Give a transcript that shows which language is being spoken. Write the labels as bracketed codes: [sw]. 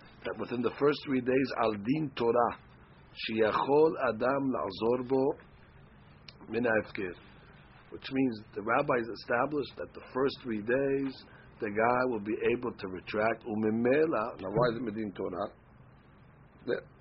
[en] That within the first 3 days, [he] על דין תורה, שיכול אדם לעזור בו מן ההפקר. [en] Which means the rabbis established that the first 3 days, the guy will be able to retract. [he] וממילא, [en] now why is it [he] מדין תורה?